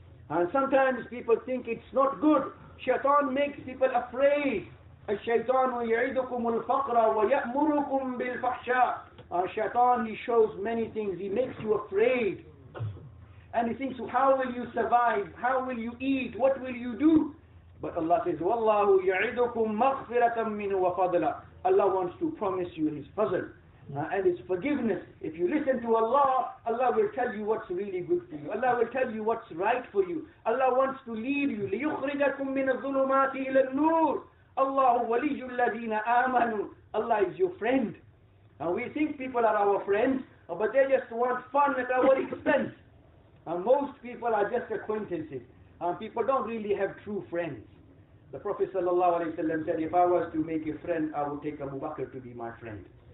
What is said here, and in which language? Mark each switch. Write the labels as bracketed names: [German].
[English] And sometimes people think it's not good. Shaitan makes people afraid. [Arabic] الشَّيْطَانُ يَعِدُكُمُ الْفَقْرَ وَيَأْمُرُكُمْ بِالْفَحْشَاءِ. [English] Shaitan, he shows many things. He makes you afraid. And he thinks, how will you survive? How will you eat? What will you do? But Allah says, [Arabic] وَاللَّهُ يَعِدُكُمْ مَغْفِرَةً مِّنُ وَفَضْلًا. [English] Allah wants to promise you His fazl and His forgiveness. If you listen to Allah, Allah will tell you what's really good for you. Allah will tell you what's right for you. Allah wants to lead you. [Arabic] لِيُخْرِجَكُمْ مِّنَ الظُّلُمَاتِ إِلَى النُّورِ. Allah وَلِيُّ الَّذِينَ آمَنُوا. [English] Allah is your friend. And we think people are our friends, but they just want fun at our expense. And most people are just acquaintances. And people don't really have true friends. The Prophet sallallahu alaihi wasallam said, if I was to make a friend, I would take Abu Bakr to be my friend.